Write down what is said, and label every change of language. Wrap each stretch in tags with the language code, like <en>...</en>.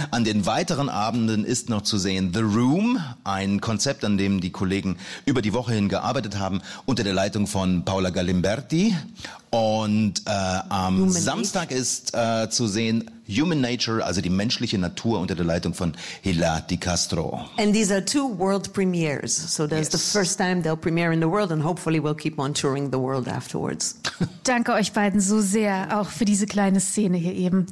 <de>An den weiteren Abenden ist noch zu sehen The Room, ein Konzept, an dem die Kollegen über die Woche hin gearbeitet haben, unter der Leitung von Paola Galimberti. Und am Samstag ist zu sehen Human Nature, also die menschliche Natur unter der Leitung von Hila Di Castro.</de> <en>And these are two world premieres. So that's the first time they'll premiere in the world and hopefully we'll keep on touring the world afterwards.</en> <de>Danke euch beiden so sehr, auch für diese kleine Szene hier eben.</de>